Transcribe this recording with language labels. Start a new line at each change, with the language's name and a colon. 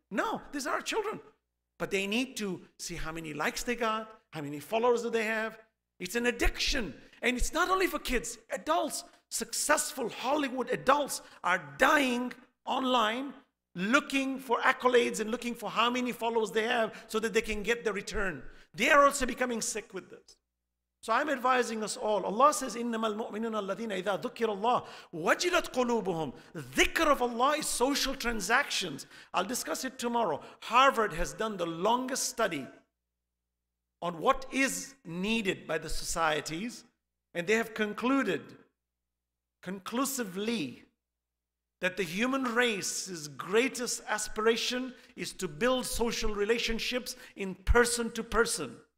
English: No, these are our children. But they need to see how many likes they got, how many followers do they have. It's an addiction. And it's not only for kids, adults. Successful Hollywood adults are dying online looking for accolades and looking for how many followers they have so that they can get the return. They are also becoming sick with this. So I'm advising us all. Allah says,
Arabic: إِنَّمَا الْمُؤْمِنُونَ الَّذِينَ إِذَا ذُكِّرَ اللَّهِ وَجِلَتْ قُلُوبُهُمْ.
English: Dhikr of Allah is social transactions. I'll discuss it tomorrow. Harvard has done the longest study on what is needed by the societies, and they have concluded conclusively that the human race's greatest aspiration is to build social relationships in person to person.